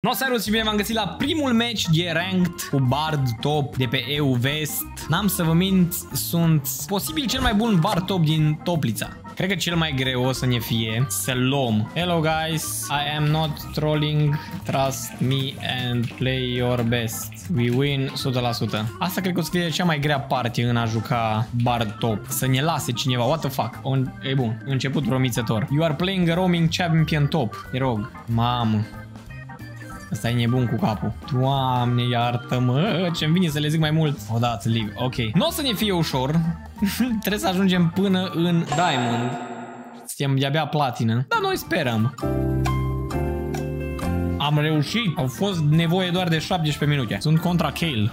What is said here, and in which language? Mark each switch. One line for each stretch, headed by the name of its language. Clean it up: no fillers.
Romanian: No, serios, și bine v-am găsit la primul match de ranked cu Bard top de pe EU Vest. N-am să vă mint, sunt posibil cel mai bun Bard top din Toplița. Cred că cel mai greu o să ne fie să luăm.
English: Hello guys, I am not trolling, trust me and play your best. We win 100%.
Romanian: Asta cred că o să fie cea mai grea parte în a juca Bard top. Să ne lase cineva,
English: what the fuck.
Romanian: E bun, început promițător.
English: You are playing a roaming champion top.
Romanian: Te rog, mamă. Asta e nebun cu capul. Doamne, iartă-mă, ce-mi vine să le zic mai mult. O dat, League, ok. N-o să ne fie ușor. Trebuie să ajungem până în Diamond. Suntem de-abia platină. Dar noi sperăm. Am reușit. Au fost nevoie doar de 17 minute. Sunt contra Kayle.